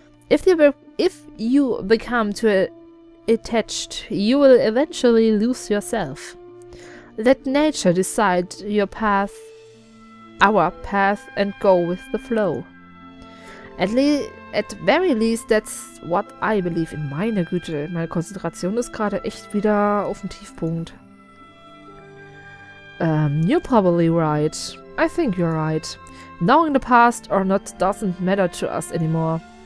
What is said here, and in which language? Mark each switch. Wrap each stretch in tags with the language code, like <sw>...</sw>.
<en>If you become too attached, you will eventually lose yourself. Let nature decide your path, our path, and go with the flow. At very least, that's what I believe in.</en> <de>Meine Güte, meine Konzentration ist gerade echt wieder auf dem Tiefpunkt.</de> <en>You're probably right. I think you're right. Knowing the past or not doesn't matter to us anymore.</en>